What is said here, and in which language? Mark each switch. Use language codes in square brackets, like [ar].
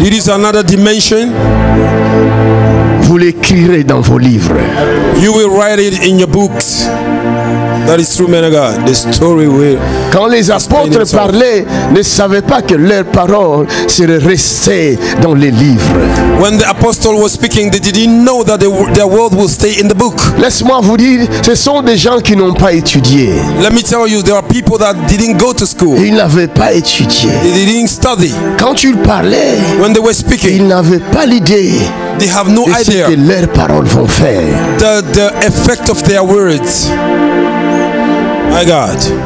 [en] It is another dimension. [fr] Vous l'écrirez dans vos livres. [en] You will write it in your books. That is true, man of God. The story will. [fr] Quand les apôtres parlaient, ne savaient pas que leurs paroles seraient restées dans les livres. [en] When the apostle was speaking, they didn't know that their word will stay in the book. [fr] Laisse-moi vous dire, ce sont des gens qui n'ont pas étudié. [en] Let me tell you, there are people that didn't go to school. [fr] Ils n'avaient pas étudié. [en] They didn't study. [fr] Quand ils parlaient, [en] when they were speaking, [fr] ils n'avaient pas l'idée. [en] They have no idea. [fr] De ce que leurs paroles vont faire. [en] The effect of their words. My God.